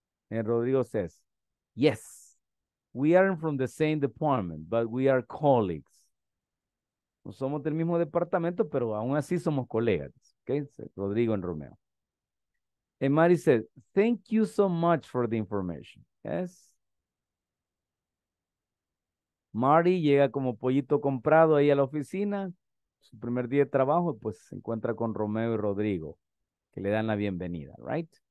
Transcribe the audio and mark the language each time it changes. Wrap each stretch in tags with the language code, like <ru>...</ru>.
<en>And Rodrigo says, yes, we aren't from the same department, but we are colleagues.</en> <es>No somos del mismo departamento, pero aún así somos colegas.</es> <en>Okay, Rodrigo and Romeo. And Mari says, thank you so much for the information. Yes.</en> <es>Mari llega como pollito comprado ahí a la oficina. Su primer día de trabajo, pues se encuentra con Romeo y Rodrigo, que le dan la bienvenida, right?</es>